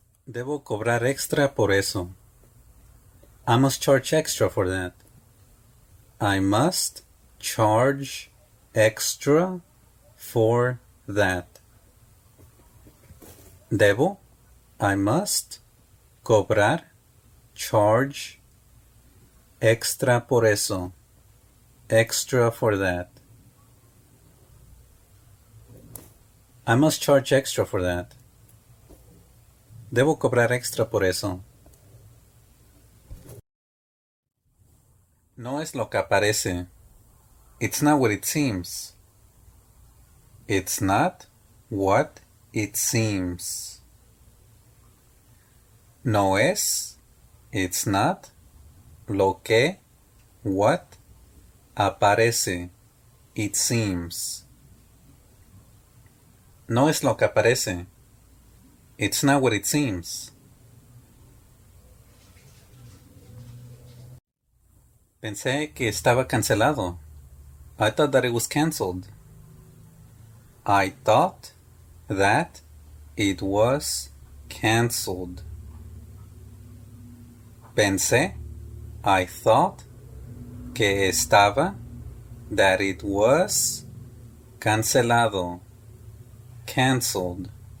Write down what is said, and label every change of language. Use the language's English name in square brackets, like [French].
[Spanish] Debo cobrar extra por eso. [English] I must charge extra for that. I must charge extra for that. [Spanish] Debo, [English] I must [Spanish] cobrar, [English] charge [Spanish] extra por eso. [English] Extra for that. I must charge extra for that. [Spanish] Debo cobrar extra por eso. No es lo que aparece. [English] It's not what it seems. It's not what it seems. [Spanish] No es. [English] It's not [Spanish] lo que. [English] What [Spanish] aparece. [English] It seems. [Spanish] No es lo que aparece. [English] It's not what it seems. [Spanish] Pensé que estaba cancelado. [English] I thought that it was canceled. I thought that it was canceled. [Spanish] Pensé, [English] I thought [Spanish] que estaba, [English] that it was [Spanish] cancelado. [English] Canceled.